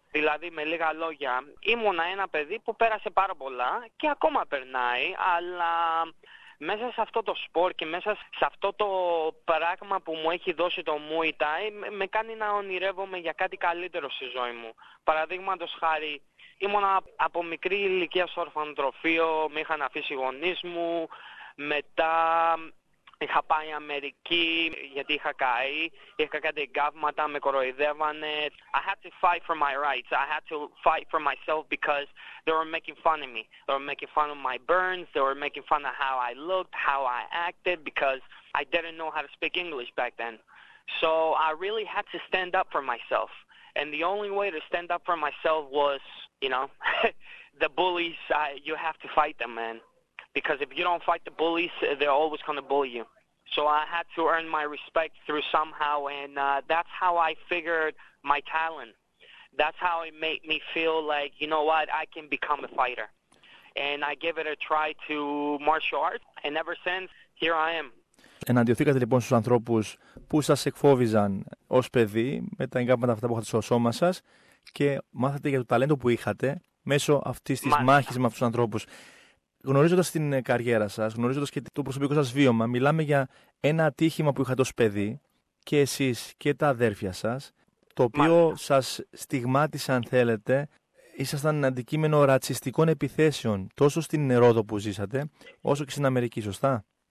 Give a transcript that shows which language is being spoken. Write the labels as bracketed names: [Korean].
[Greek] Δηλαδή, με λίγα λόγια, ήμουνα ένα παιδί που πέρασε πάρα πολλά και ακόμα περνάει, αλλά μέσα σε αυτό το σπορ και μέσα σε αυτό το πράγμα που μου έχει δώσει το Muay Thai, με κάνει να ονειρεύομαι για κάτι καλύτερο στη ζωή μου. Παραδείγματος χάρη, ήμουνα από μικρή ηλικία στο ορφανοτροφείο, με είχαν αφήσει οι γονείς μου, μετά είχα πάει Αμερική γιατί είχα καεί, είχα κάτι εγκάβματα, με κοροϊδεύανε. [English] I had to fight for my rights. I had to fight for myself because they were making fun of me. They were making fun of my burns. They were making fun of how I looked, how I acted, because I didn't know how to speak English back then. So I really had to stand up for myself. And the only way to stand up for myself was, you know, the bullies, you have to fight them, man. Because if you don't fight the bullies, they're always going to bully you. So I had to earn my respect through somehow, and that's how I figured my talent. That's how it made me feel like, you know what, I can become a fighter. And I gave it a try to martial arts, and ever since, here I am. [Greek] Εναντιωθήκατε λοιπόν στους ανθρώπους που σας εκφόβιζαν ως παιδί με τα εγκάπματα αυτά που είχατε στο σώμα σας και μάθατε για το ταλέντο που είχατε μέσω αυτής της μάχης με αυτούς τους ανθρώπους. Γνωρίζοντας την καριέρα σας, γνωρίζοντας και το προσωπικό σας βίωμα, μιλάμε για ένα ατύχημα που είχατε ως παιδί και εσείς και τα αδέρφια σας, το οποίο σας στιγμάτισε, αν θέλετε, ήσασταν αντικείμενο ρατσιστικών επιθέσεων τόσο στην Ρόδο που ζήσατε, όσο και στην Αμερική, σωστά?